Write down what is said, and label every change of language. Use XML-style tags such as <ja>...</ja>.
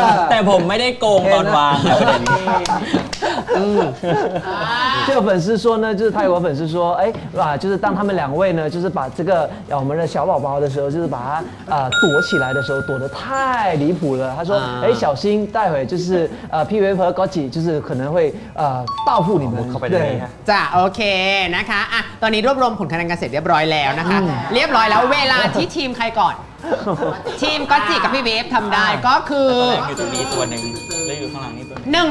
<th>แต่ผมไม่ได้โกงตอนวางแบบนี้</th> <zh>这个粉丝说呢就是泰国粉丝说哎哇就是当他们两位呢就是把这个我们的小宝宝的时候就是把它躲起来的时候躲得太离谱了他说哎小心待会就是P Wave 和 Gotti 就是可能会报复你们对</zh> <th>จ้ะโอเคนะคะอ่ะตอนนี้รวบรวมผลคะแนนกันเสร็จเรียบร้อยแล้วนะคะเรียบร้อยแล้วเวลาที่ทีมใครก่อนทีมก็จิกับพี่เวฟทำได้ก็คืออ ยู่ตรงนี้ตัวนึงแล้วอยู่ข้างหลังนี้ตัวนึง</th>